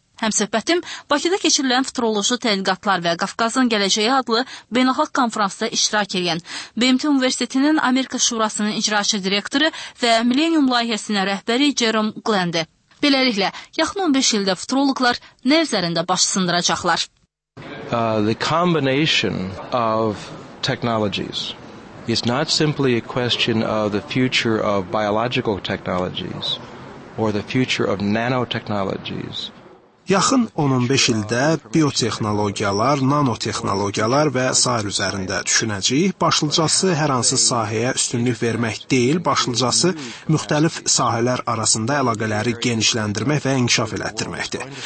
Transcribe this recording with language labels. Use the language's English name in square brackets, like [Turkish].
[Azerbaijani] Həmsöhbətim Bakıda keçirilən futuroloji tədqiqatlar və Qafqazın gələcəyi adlı beynəlxalq konfransda iştirak edən BMT Universitetinin Amerika Şurasının icraçı direktoru və Millennium layihəsinin rəhbəri Jerome Glendi. Beləliklə, yaxın 15 ildə futuroloqlar nə üzərində baş sındıracaqlar? [English] The combination of technologies is not simply a question of the future of biological technologies or the future of nanotechnologies. [Azerbaijani] Yaxın 10-15 ildə biotexnologiyalar, nanotexnologiyalar və s. üzərində düşünəcəyik. Başlıcası hər hansı sahəyə üstünlük vermək deyil, başlıcası müxtəlif sahələr arasında əlaqələri genişləndirmək və inkişaf elətdirməkdir.